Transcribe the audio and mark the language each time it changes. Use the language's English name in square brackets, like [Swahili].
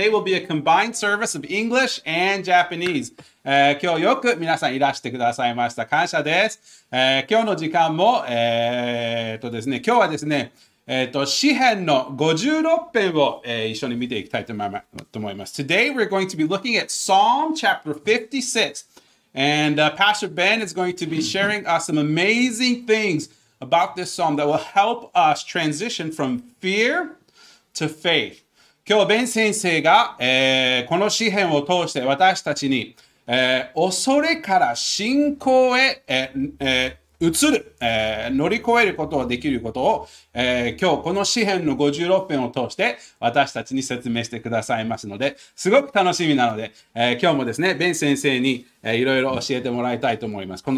[English] Today will be a combined service of English and Japanese、 [Japanese] 今日よく皆さんいらしてくださいました。感謝です。今日の時間も、ですね、今日はですね、詩編の56編を、一緒に見ていきたいと思います。 [English] Today we're going to be looking at Psalm chapter 56. And、Pastor Ben is going to be sharing us some amazing things about this psalm that will help us transition from fear to faith. [Japanese] 今日、ベン先生が、この詩編を通して私たちに、恐れから信仰へ、移る、乗り越えることができることを、今日この詩編の56編を通して私たちに説明してくださいますので、すごく楽しみなので、今日もですね、ベン先生にいろいろ教えてもらいたいと思います。